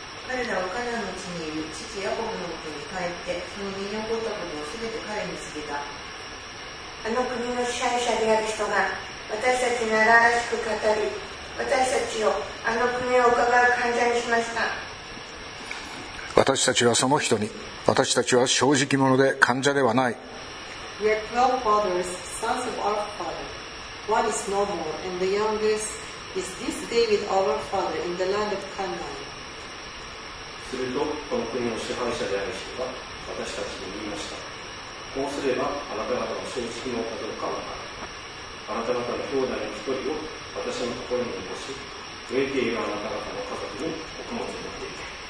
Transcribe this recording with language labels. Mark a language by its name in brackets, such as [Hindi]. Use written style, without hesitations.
[Japanese] 彼らはカナンの地にいる父ヤコブのもとに帰って、その身に起こったことをすべて彼に告げた。あの国の支配者である人が私たちに荒々しく語り、私たちをあの国を伺う患者にしました。私たちはその人に、私たちは正直者で患者ではない。 [English] We are 12 brothers, sons of our father. One is no more, and the youngest is this David our father in the land of Canaan. [Japanese] するとこの国の支配者である人が私たちに言いました。こうすればあなた方の正直のかどうかわかる。あなた方の兄弟の一人を私のところに残し、植えているあなた方の家族に穀物を持っていけ。